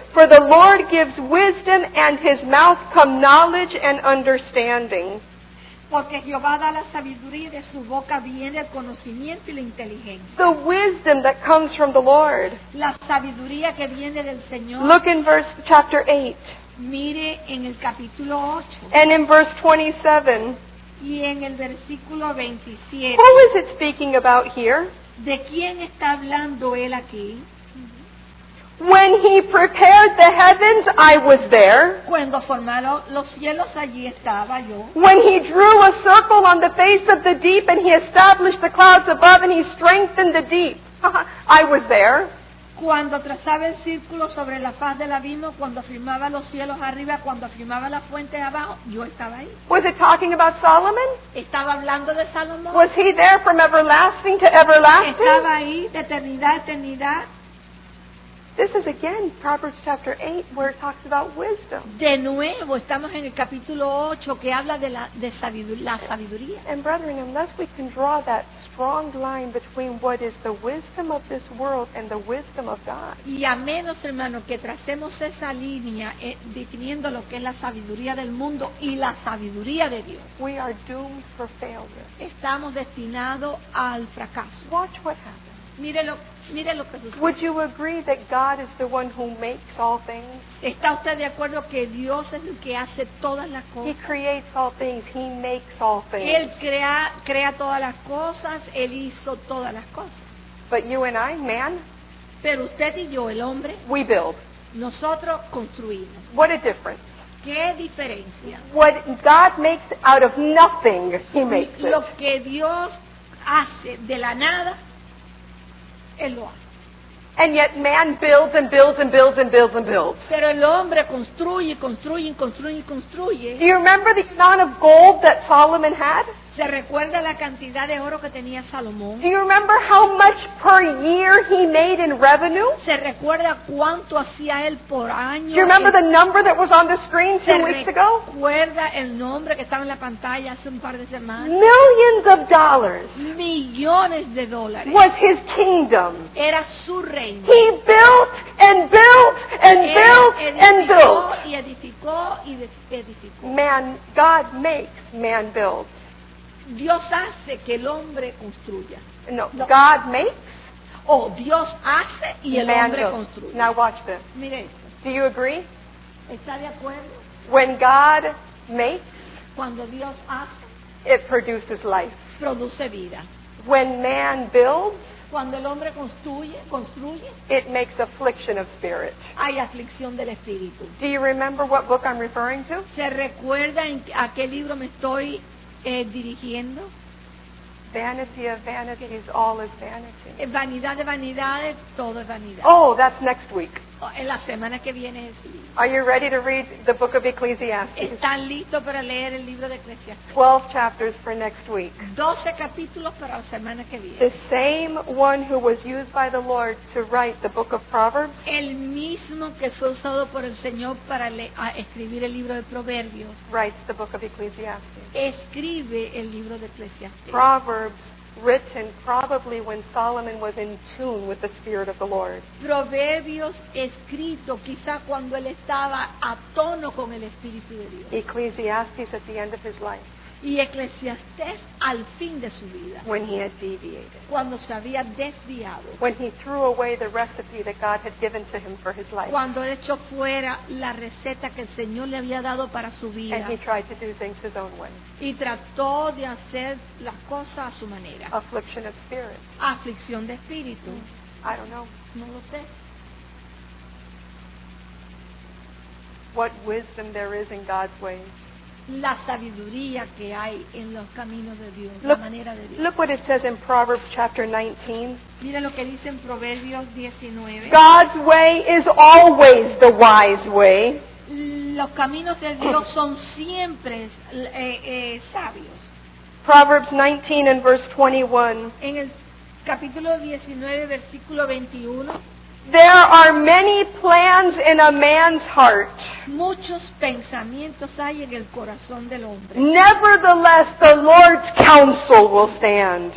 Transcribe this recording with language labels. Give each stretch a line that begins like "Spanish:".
English: For the Lord gives wisdom and his mouth come knowledge and understanding.
Spanish: Porque Jehová da la sabiduría y de su boca viene el conocimiento y la inteligencia.
English: The wisdom that comes from the Lord.
Spanish: La sabiduría que viene del Señor.
English: Look in verse chapter 8.
Spanish: Mire en el capítulo 8.
English: And in verse 27.
Spanish: Y en el versículo 27.
English: Who is it speaking about here?
Spanish: ¿De quién está hablando él aquí?
English: When he prepared the heavens, I was there.
Spanish: Cuando formaron los cielos, allí estaba yo.
English: When he drew a circle on the face of the deep and he established the clouds above and he strengthened the deep, I was there.
Spanish: Cuando trazaba el círculo sobre la faz del abismo, cuando firmaba los cielos arriba, cuando firmaba la fuente abajo, yo estaba ahí.
English: Was it talking about Solomon?
Spanish: ¿Estaba hablando de Salomón?
English: Was he there from everlasting to everlasting?
Spanish: ¿Estaba ahí de eternidad a eternidad?
English: This is again Proverbs chapter 8 where it talks about wisdom.
Spanish: De nuevo, estamos en el capítulo 8 que habla de la sabiduría.
English: And brethren, unless we can draw that strong line between what is the wisdom of this world and the wisdom of God.
Spanish: Y a menos, hermano, que tracemos esa línea definiendo lo que es la sabiduría del mundo y la sabiduría de Dios.
English: We are doomed for failure.
Spanish: Estamos destinados al fracaso.
English: Watch what happens.
Spanish: Mírelo,
English: would you agree that God is the one who makes all things?
Spanish: ¿Está usted de acuerdo que Dios es el que hace todas las cosas?
English: He creates all things. He makes all things.
Spanish: Él crea todas las cosas. Él hizo todas las cosas.
English: But you and I, man.
Spanish: Pero usted y yo, el hombre.
English: We build.
Spanish: Nosotros construimos.
English: What a difference.
Spanish: ¿Qué diferencia?
English: What God makes out of nothing, He makes it.
Spanish: Lo que Dios hace de la nada.
English: And yet man builds and builds and builds and builds and builds.
Spanish: Pero el hombre construye, construye, construye, construye.
English: Do you remember the amount of gold that Solomon had?
Spanish: ¿Se recuerda la cantidad de oro que tenía Salomón?
English: Do you remember how much per year he made in revenue?
Spanish: ¿Se recuerda cuánto hacía él por año?
English: Do you remember the number that was on the screen 2 weeks ago?
Spanish: ¿Se recuerda el nombre que estaba en la pantalla hace un par de semanas?
English: Millions of dollars.
Spanish: Millones de dólares.
English: Was his kingdom.
Spanish: Era su reino.
English: He built and built and built and built.
Spanish: Y edificó y edificó.
English: Man, God makes, man builds.
Spanish: Dios hace que el hombre construya.
English: No, God makes.
Spanish: Oh, Dios hace y el hombre construye.
English: Now watch this.
Spanish: Mire esto.
English: Do you agree?
Spanish: ¿Está de acuerdo?
English: When God makes,
Spanish: cuando Dios hace,
English: it produces life.
Spanish: Produce vida.
English: When man builds,
Spanish: cuando el hombre construye,
English: it makes affliction of spirit.
Spanish: Hay aflicción del espíritu.
English: Do you remember what book I'm referring to?
Spanish: ¿Se recuerda a qué libro me estoy dirigiendo?
English: Vanity of vanities, all is vanity.
Spanish: Vanidad de vanidades, todo es vanidad.
English: Oh, that's next week.
Spanish: En la semana que viene.
English: Are you ready to read the book of Ecclesiastes?
Spanish: ¿Están listos para leer el libro de Eclesiastés?
English: 12 chapters for next week.
Spanish: 12 capítulos para la semana que viene.
English: The same one who was used by the Lord to write the book of Proverbs.
Spanish: El mismo que fue usado por el Señor para escribir el libro de Proverbios.
English: Writes the book of Ecclesiastes.
Spanish: Escribe el libro de Eclesiastés.
English: Proverbs. Written probably when Solomon was in tune with the Spirit of the Lord.
Spanish: Proverbios escrito quizá cuando él estaba a tono con el Espíritu de Dios.
English: Ecclesiastes at the end of his life.
Spanish: Y Eclesiastés al fin de su vida.
English: When he had deviated.
Spanish: Cuando se había desviado.
English: When he threw away the recipe that God had given to him for his life.
Spanish: Cuando él echó fuera la receta que el Señor le había dado para su vida.
English: And he tried to do things his own way.
Spanish: Y trató de hacer las cosas a su manera.
English: Affliction of spirit.
Spanish: Aflicción de espíritu.
English: I don't know.
Spanish: No lo sé.
English: What wisdom there is in God's ways.
Spanish: La sabiduría que hay en los caminos de Dios,
English: look,
Spanish: la manera de Dios.
English: Look what it says in Proverbs chapter 19.
Spanish: Mira lo que dice en Proverbios 19.
English: God's way is always the wise way.
Spanish: Los caminos de Dios son siempre sabios.
English: Proverbs 19 and verse 21.
Spanish: En el capítulo 19, versículo 21.
English: There are many plans in a man's heart.
Spanish: Muchos pensamientos hay en el corazón del hombre.
English: Nevertheless, the Lord's counsel will stand.